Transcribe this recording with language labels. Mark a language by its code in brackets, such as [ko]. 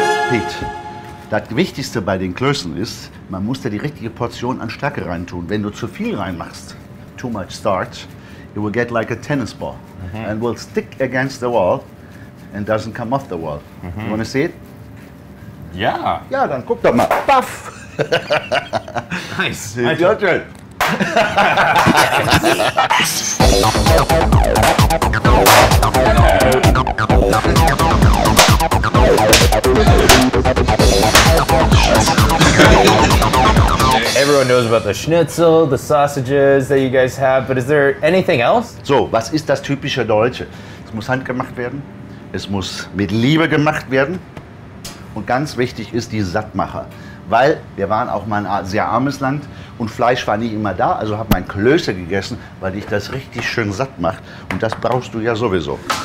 [de] Pete, das Wichtigste bei den Klößen ist, man muss da die richtige Portion an Stärke reintun. Wenn du zu viel reinmachst, [en] too much starch, you will get like a tennis ball. Mm-hmm. And will stick against the wall and doesn't come off the wall. Mm-hmm. You want to see it? Yeah. [de] Ja, dann guck doch mal. Puff! [en] Nice. Your turn. Everyone knows about the Schnitzel, the sausages that you guys have, but is there anything else? [de] So, was ist das typische Deutsche? Es muss handgemacht werden, es muss mit Liebe gemacht werden und ganz wichtig ist die Sattmacher. Weil wir waren auch mal ein sehr armes Land und Fleisch war nicht immer da, also habe mein Klöße gegessen, weil dich das richtig schön satt macht und das brauchst du ja sowieso.